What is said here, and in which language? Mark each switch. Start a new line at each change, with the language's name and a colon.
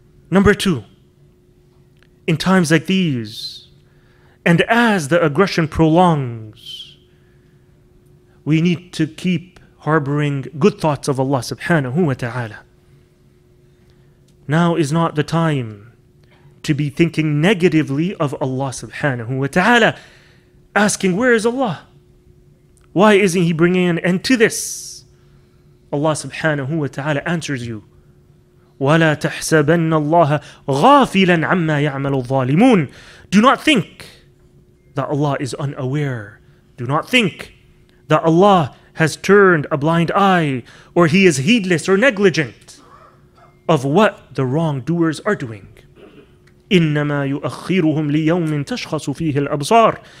English: Number two, in times like these, and as the aggression prolongs, we need to keep harboring good thoughts of Allah subhanahu wa ta'ala. Now is not the time to be thinking negatively of Allah subhanahu wa ta'ala, asking, where is Allah? Why isn't He bringing an end to this? Allah subhanahu wa ta'ala answers you,
Arabic: وَلَا تَحْسَبَنَّ اللَّهَ غَافِلًا عَمَّا يَعْمَلُ الظَّالِمُونَ.
English: Do not think that Allah is unaware. Do not think that Allah has turned a blind eye, or He is heedless or negligent of what the wrongdoers are doing.
Arabic: إِنَّمَا يُؤَخِّرُهُمْ لِيَوْمٍ تَشْخَصُ فِيهِ الْأَبْصَارِ.